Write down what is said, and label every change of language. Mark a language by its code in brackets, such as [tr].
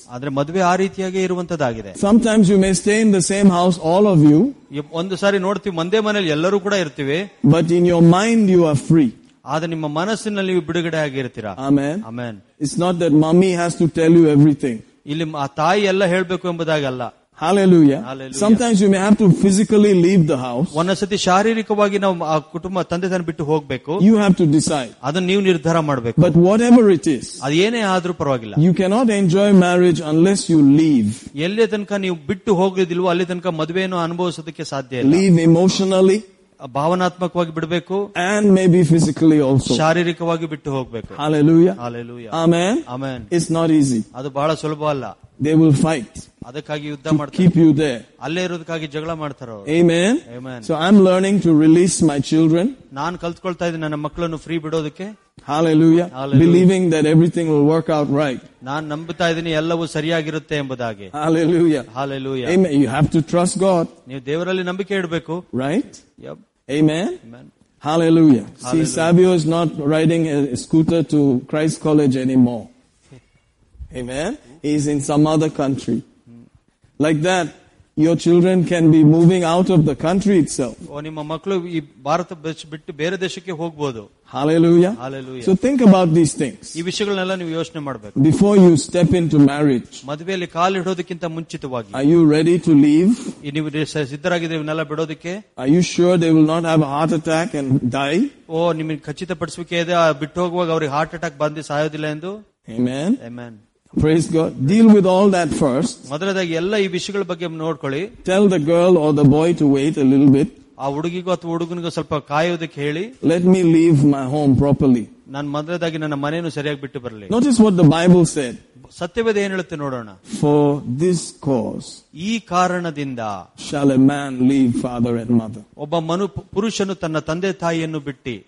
[kn] ಆದ್ರೆ ಮದುವೆ ಆ ರೀತಿಯಾಗಿ ಇರುವಂತದಾಗಿದೆ. [en] Sometimes you may stay in the same house all of you. [kn] ಒಂದು ಸಾರಿ ನೋಡ್ತೀವಿ ಒಂದೇ ಮನೆಯಲ್ಲಿ ಎಲ್ಲರೂ ಕೂಡ ಇರ್ತೀವಿ. [en] But in your mind you are free. [kn] ಆದ್ರೆ ನಿಮ್ಮ ಮನಸ್ಸಿನಲ್ಲಿ ಬಿಡುಗಡೆ ಆಗಿರ್ತೀರಾ. [en] Amen. Amen. It's not that mummy has to tell you everything. [kn] ಇಲ್ಲಿ ಆ ತಾಯಿ ಎಲ್ಲ ಹೇಳಬೇಕು ಎಂಬುದಾಗಲ್ಲ. [en] Hallelujah. Hallelujah. Sometimes you may have to physically leave the house. [kn] ಒಂದ ಸತಿ ಶಾರೀರಿಕವಾಗಿ ನಾವು ಆ ಕುಟುಂಬ ತಂದೆ ತಾನೆ ಬಿಟ್ಟು ಹೋಗಬೇಕು. [en] You have to decide. [kn] ಅದನ್ನ ನೀವು ನಿರ್ಧಾರ ಮಾಡಬೇಕು. [en] But whatever it is. [kn] ಅದು ಏನೇ ಆದರೂ ಪರವಾಗಿಲ್ಲ. [en] You cannot enjoy marriage unless you leave. [kn] ಎಲ್ಲೇ ತನಕ ನೀವು ಬಿಟ್ಟು ಹೋಗೋದಿಲ್ವೋ ಅಲ್ಲಿ ತನಕ ಮದುವೆಯನ್ನು ಅನುಭವಿಸೋದಕ್ಕೆ ಸಾಧ್ಯ ಇಲ್ಲ. [en] Leave emotionally. [kn] ಭಾವನಾತ್ಮಕವಾಗಿ ಬಿಡಬೇಕು [en] and maybe physically also [kn] ಶಾರೀರಿಕವಾಗಿ ಬಿಟ್ಟು ಹೋಗಬೇಕು [en] hallelujah hallelujah amen amen it's not easy [kn] ಅದು ಬಹಳ ಸುಲಭ ಅಲ್ಲ [en] they will fight [kn] ಅದಕ್ಕಾಗಿ ಯುದ್ಧ ಮಾಡ್ತಾರೆ [en] keep you there [kn] ಅಲ್ಲೇ ಇರೋದಕ್ಕಾಗಿ ಜಗಳ ಮಾಡ್ತಾರೆ [en] amen amen so I am learning to release my children [kn] ನಾನು ಕಲ್ತ್ಕೊಳ್ತಾ ಇದ್ದೀನಿ ನನ್ನ ಮಕ್ಕಳನ್ನು free ಬಿಡೋದಕ್ಕೆ [en] Hallelujah. Hallelujah. Believing that everything will work out right. [kn] ನಾನು ನಂಬುತ್ತಾ ಇದ್ದೀನಿ ಎಲ್ಲವೂ ಸರಿಯಾಗಿರುತ್ತೆ ಎಂಬುದಾಗಿ. [en] Hallelujah. Hallelujah. Amen. You have to trust God. [kn] ನೀವು ದೇವರಲ್ಲಿ ನಂಬಿಕೆ ಇಡಬೇಕು. [en] Right? Yep. Amen. Amen. Hallelujah. See, Savio is not riding a scooter to Christ College anymore. Amen. He is in some other country. Like that, your children can be moving out of the country itself. [kn] ನಿಮ್ಮ ಮಕ್ಕಳು ಈ ಭಾರತ ಬಿಟ್ಟು ಬೇರೆ ದೇಶಕ್ಕೆ ಹೋಗಬಹುದು. [en] Hallelujah. Hallelujah. So think about these things. [kn] ಈ ವಿಷಯಗಳನ್ನೆಲ್ಲ ನೀವು ಯೋಚನೆ ಮಾಡಬೇಕು. [en] Before you step into marriage. [kn] ಮದುವೆಯಲ್ಲಿ ಕಾಲಿಡೋದಕ್ಕಿಂತ ಮುಂಚಿತವಾಗಿ. [en] Are you ready to leave? [kn] ನೀವು ಸಿದ್ಧರಾಗಿದ್ದೀರಾ ಇವನ್ನೆಲ್ಲ ಬಿಡೋದಕ್ಕೆ? [en] Are you sure they will not have a heart attack and die? [kn] ಓ ನಿಮಗೆ ಖಚಿತಪಡಿಸಬೇಕೆ ಇದೆ ಬಿಟ್ಟು ಹೋಗುವಾಗ ಅವರಿಗೆ ಹಾರ್ಟ್ ಅಟ್ಯಾಕ್ ಬಂದು ಸಾಯೋದಿಲ್ಲ ಎಂದು? [en] Amen. Amen. Praise God. Deal with all that first. [kn] ಮೊದಲದಾಗಿ ಎಲ್ಲ ಈ ವಿಷಯಗಳ ಬಗ್ಗೆ ನೋಡ್ಕೊಳ್ಳಿ. [en] Tell the girl or the boy to wait a little bit. [kn] ಆ ಹುಡುಗಿಗೂ ಅಥವಾ ಹುಡುಗನಿಗೂ ಸ್ವಲ್ಪ ಕಾಯೋದಕ್ಕೆ ಹೇಳಿ. [en] Let me leave my home properly. [kn] ನಾನು ಮೊದಲದಾಗಿ ನನ್ನ ಮನೆಯನ್ನು ಸರಿಯಾಗಿ ಬಿಟ್ಟು ಬರಲಿ. [en] Notice what the Bible said. [kn] ಸತ್ಯವೇದ ಏನ್ ಹೇಳುತ್ತೆ ನೋಡೋಣ. [en] For this cause. [kn] ಈ ಕಾರಣದಿಂದ. [en] Shall a man leave father and mother. [kn] ಒಬ್ಬ ಪುರುಷನು ತನ್ನ ತಂದೆ ತಾಯಿಯನ್ನು ಬಿಟ್ಟು.